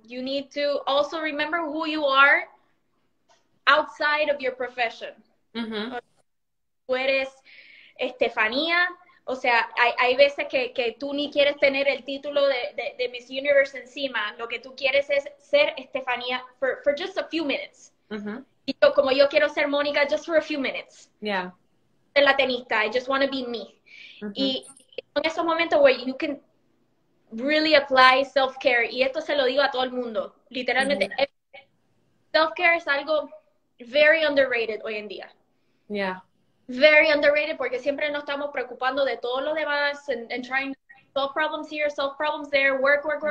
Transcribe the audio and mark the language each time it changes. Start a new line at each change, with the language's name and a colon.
English: You need to also remember who you are outside of your profession.
Spanish: Tú eres Estefanía. O sea, hay veces que tú ni quieres tener el título de Miss Universe encima. Lo que tú quieres es ser Estefanía
English: for just a few minutes.
Spanish: Y yo, como yo quiero ser Mónica
English: just for a few minutes. Yeah.
Spanish: La tenista,
English: I just want to be me.
Spanish: Y son esos momentos
English: where you can really apply self-care.
Spanish: Y esto se lo digo a todo el mundo, literalmente. Self-care es algo
English: very underrated
Spanish: hoy en día.
English: Yeah. Very underrated,
Spanish: porque siempre nos estamos preocupando de todo lo demás
English: and trying to solve problems here, solve problems there, work.